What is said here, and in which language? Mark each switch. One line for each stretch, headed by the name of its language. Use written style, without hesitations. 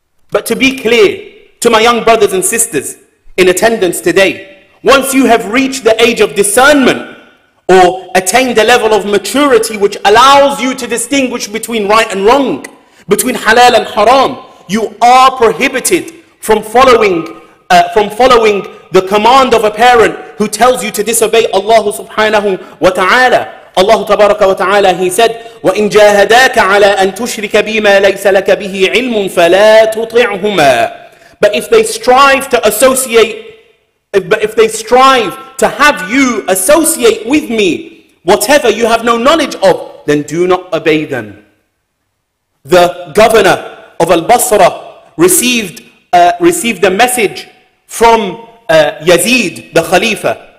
English: But to be clear to my young brothers and sisters in attendance today, once you have reached the age of discernment or attained a level of maturity which allows you to distinguish between right and wrong, between halal and haram, you are prohibited from following the command of a parent who tells you to disobey Allah subhanahu wa ta'ala.
Arabic: Allah tabaraka wa ta'ala,
English: he said,
Arabic: وَإِن جَاهَدَاكَ عَلَىٰ أَن تُشْرِكَ بِمَا لَيْسَ لَكَ بِهِ عِلْمٌ فَلَا تُطِعْهُمَا.
English: But if they strive to associate, to have you associate with me whatever you have no knowledge of, then do not obey them. The governor of Al-Basra received a message from Yazid, the Khalifa.